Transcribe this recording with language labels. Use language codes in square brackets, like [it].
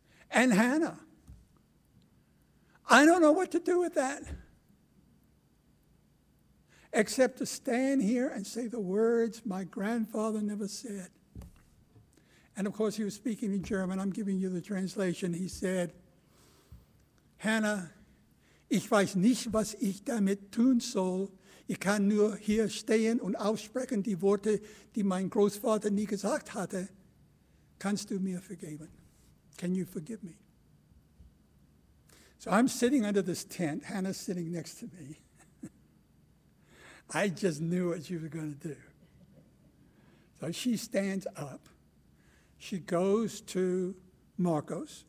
[en] And Hannah, I don't know what to do with that, except to stand here and say the words my grandfather never said. And of course, he was speaking in German. I'm giving you the translation. [de] He said, Hannah, ich weiß nicht, was ich damit tun soll. Ich kann nur hier stehen und aussprechen die Worte, die mein Großvater nie gesagt hatte. Kannst du mir vergeben? [en] Can you forgive me? So I'm sitting under this tent. Hannah's sitting next to me. I just knew what she was going to do. So she stands up. She goes to Marcos.